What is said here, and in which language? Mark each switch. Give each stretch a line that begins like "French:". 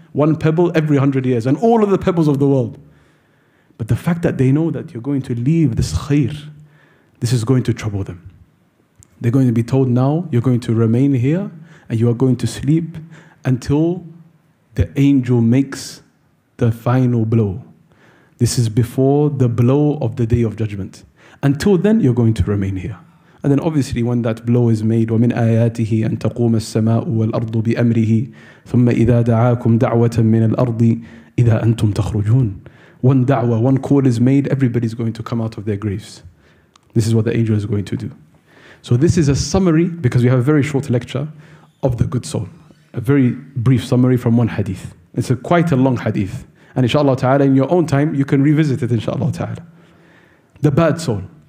English: One pebble every 100 years, and all of the pebbles of the world. But the fact that they know that you're going to leave this khair, this is going to trouble them. They're going to be told, now you're going to remain here and you are going to sleep until the angel makes the final blow. This is before the blow of the Day of Judgment. Until then, you're going to remain here. And then obviously when that blow is made,
Arabic: وَمِنْ آيَاتِهِ أَن تَقُومَ السَّمَاءُ وَالْأَرْضُ بِأَمْرِهِ ثُمَّ إِذَا دَعَاكُمْ دَعْوَةً مِنَ الْأَرْضِ إِذَا أَنْتُمْ تَخْرُجُونَ.
English: One da'wah, one call is made, everybody's going to come out of their graves. This is what the angel is going to do. So this is a summary, because we have a very short lecture, of the good soul. A very brief summary from one hadith. It's a quite a long hadith. And inshallah ta'ala, in your own time, you can revisit it inshallah ta'ala. The bad soul.